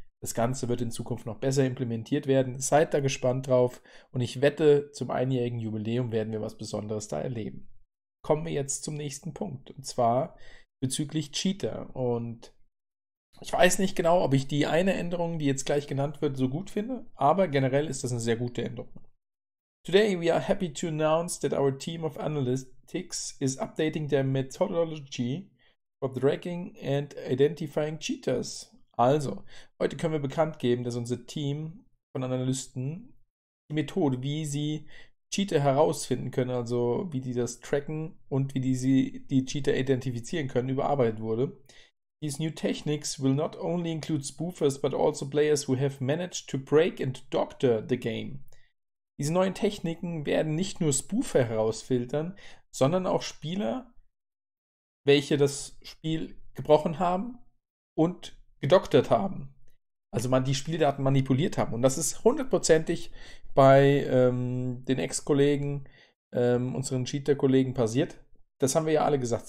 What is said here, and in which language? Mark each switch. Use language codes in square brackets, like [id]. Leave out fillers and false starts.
[de] Das Ganze wird in Zukunft noch besser implementiert werden. Seid da gespannt drauf und ich wette, zum einjährigen Jubiläum werden wir was Besonderes da erleben. Kommen wir jetzt zum nächsten Punkt, und zwar bezüglich Cheater. Und ich weiß nicht genau, ob ich die eine Änderung, die jetzt gleich genannt wird, so gut finde, aber generell ist das eine sehr gute Änderung. [en] Today we are happy to announce that our team of analytics is updating their methodology for tracking and identifying cheaters. [de] Also, heute können wir bekannt geben, dass unser Team von Analysten die Methode, wie sie Cheater herausfinden können, also wie die das tracken und wie die sie die Cheater identifizieren können, überarbeitet wurde. [en] These new techniques will not only include spoofers, but also players who have managed to break and doctor the game. [de] Diese neuen Techniken werden nicht nur Spoofer herausfiltern, sondern auch Spieler, welche das Spiel gebrochen haben und gedoktert haben. Also man die Spieldaten manipuliert haben. Und das ist hundertprozentig bei den Ex-Kollegen, unseren Cheater-Kollegen passiert. Das haben wir ja alle gesagt.